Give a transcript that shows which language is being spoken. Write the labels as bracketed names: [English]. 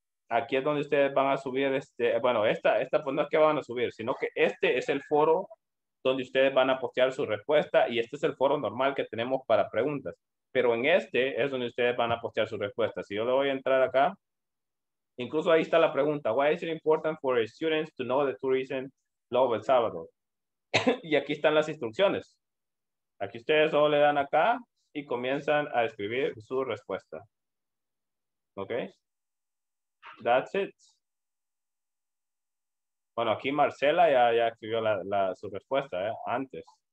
[Spanish] Aquí es donde ustedes van a subir, esta pues no es que van a subir, sino que este es el foro donde ustedes van a postear su respuesta y este es el foro normal que tenemos para preguntas. Pero en este es donde ustedes van a postear su respuesta. Si yo le voy a entrar acá, incluso ahí está la pregunta. [English] Why is it important for students to know the tourism law of El Salvador? [Spanish] Y aquí están las instrucciones. Aquí ustedes solo le dan acá y comienzan a escribir su respuesta. ¿Ok? [English] That's it. [Spanish] Bueno, aquí Marcela ya escribió su respuesta, ¿eh? Antes.